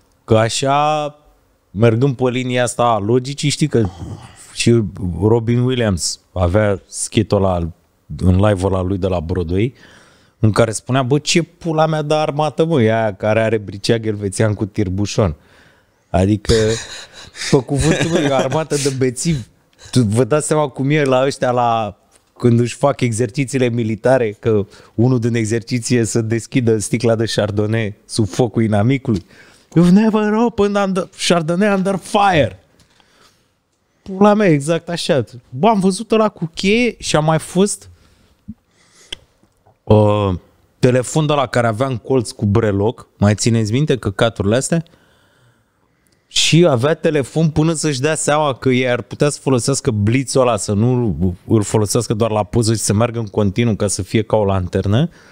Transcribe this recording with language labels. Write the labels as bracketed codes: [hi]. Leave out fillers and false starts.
[ro] Că așa, mergând pe linia asta a logicii, știi că și Robin Williams avea skit-ul ăla în live-ul ăla lui de la Broadway, în care spunea, bă, ce pula mea de armată, mă, aia care are briceag elvețian cu tirbușon. Adică, pe cuvântul meu, armată de bețivi. Tu vă dați seama cum e la ăștia, la, când își fac exercițiile militare, că unul din exerciție să deschidă sticla de Chardonnay sub focul inamicului. [en] You've never opened under, Chardonnay under fire. [ro] Pula mea, exact așa. Bă, am văzut ăla cu cheie și a mai fost telefonul ăla care avea în colț cu breloc. Mai țineți minte căcaturile astea? Și avea telefon până să-și dea seama că ei ar putea să folosească blitzul ăla, să nu îl folosească doar la poză și să meargă în continuu ca să fie ca o lanternă.